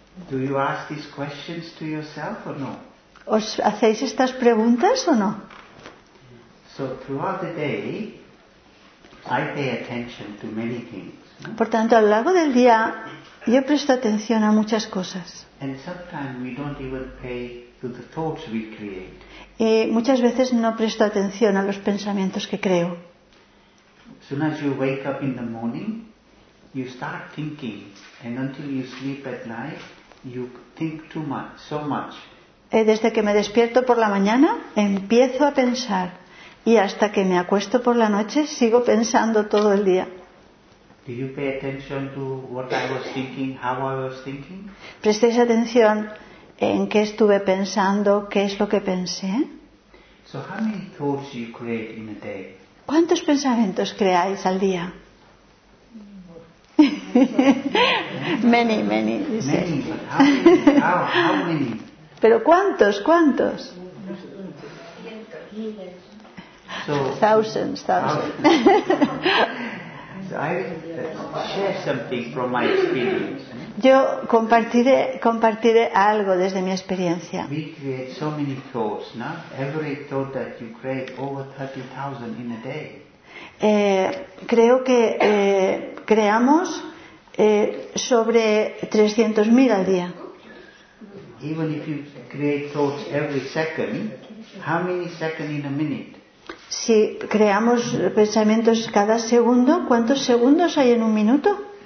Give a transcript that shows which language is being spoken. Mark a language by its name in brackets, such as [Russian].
[English] Do you ask these questions to yourself or no? [Spanish] ¿Os hacéis estas preguntas o no? [English] So throughout the day, I pay attention to many things. [Spanish] Por tanto, a lo largo del día, yo presto atención a muchas cosas. [English] And sometimes we don't even pay to the thoughts we create. [Spanish] Y muchas veces no presto atención a los pensamientos que creo. [English] As soon as you wake up in the morning, you start thinking, and until you sleep at night, you think too much, so much. [Spanish] Desde que me despierto por la mañana, empiezo a pensar, y hasta que me acuesto por la noche, sigo pensando todo el día. [English] Do you pay attention to what I was thinking, how I was thinking? [Spanish] ¿Prestáis atención en qué estuve pensando, qué es lo que pensé? [English] So how many thoughts you create in a day? [Spanish] ¿Cuántos pensamientos creáis al día? [English] Many, many. Many, how many? [Spanish] Pero ¿cuántos? [English] So, thousands. So I will share something from my experience. [Spanish] Yo compartiré algo desde mi experiencia. [English] We create so many thoughts, no? Every thought that you create over 30,000 in a day. [Spanish] Creo que creamos sobre 300,000 al día. [English] Even if you create thoughts every second, how many seconds in a minute? [Spanish] Si creamos pensamientos cada segundo, ¿cuántos segundos hay en un minuto?